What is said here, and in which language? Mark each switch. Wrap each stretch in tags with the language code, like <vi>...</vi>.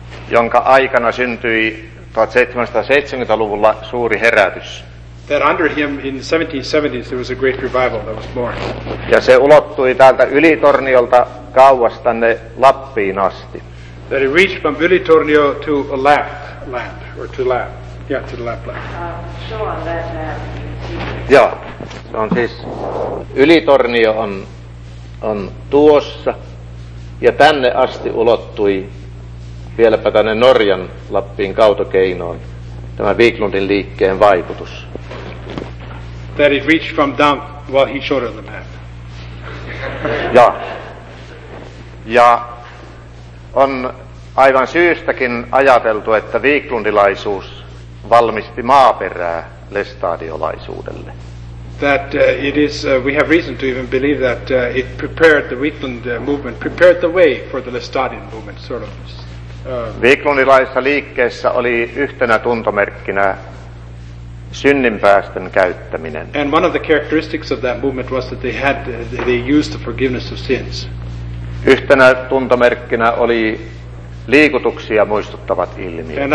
<fi>Jonka aikana syntyi 1770-luvulla suuri herätys.</fi> <en>That under him in the 1770s there was a great revival that was born.</en> <fi>Ja se ulottui täältä Ylitorniolta kauas tänne Lappiin asti.</fi> <en>That it reached from Ylitornio to a Lapland, or to Lap, yeah, to the Lapland. Show on that map.</en> <fi>Joo, se on siis, Ylitornio on tuossa, ja tänne asti ulottui vieläpä tänne Norjan Lappiin kautokeinoon, tämä Wiklundin liikkeen vaikutus.</fi> <en>That it reached from down, well, he showed on the map.</en> <fi>ja on aivan syystäkin ajateltu, että Wiklundilaisuus valmisti maaperää lestadiolaisuudelle.</fi> <en>That it is we have reason to even believe that it prepared the Wiklund movement, prepared the way for the Lestadian movement, sort of.</en> <fi>Wiklundilaisessa liikkeessä oli yhtenä tuntomerkkinä synninpäästön käyttäminen.</fi> <en>And one of the characteristics of that movement was that they used the forgiveness of sins.</en> <fi>Yhtenä tuntomerkkinä oli liikutuksia muistuttavat ilmiöt.</fi>